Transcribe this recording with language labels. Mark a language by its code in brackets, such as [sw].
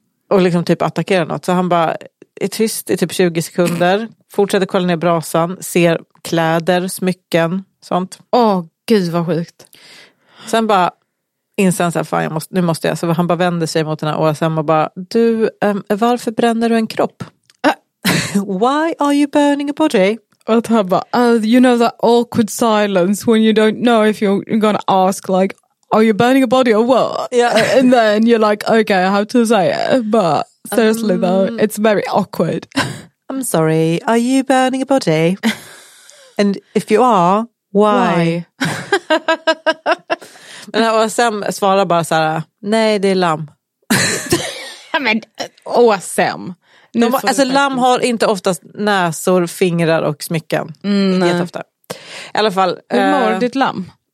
[sv] Och liksom typ attackera något. Så han bara är tyst i typ 20 sekunder. Fortsätter kolla ner brasan. Ser kläder, smycken, sånt. Åh, gud vad sjukt. Sen bara inser han så här, fan, nu måste jag. Så han bara vänder sig mot den här OSM och bara, du, varför bränner du en kropp? [en] Why are you burning a body? [sv] Och han bara, [en] you know that awkward silence when you don't know if you're gonna ask like, Are you burning a body or what? Yeah. And then you're like, okay, I have to say it. But seriously though, it's very awkward. I'm sorry, are you burning a body? And if you are, why? [sv] Men Åsem svarar bara såhär, nej det är lamm. Men Åsem. Alltså lamm har inte oftast näsor, fingrar och smycken. Nej. Det är ofta. I alla fall. Hur mår ditt lamm?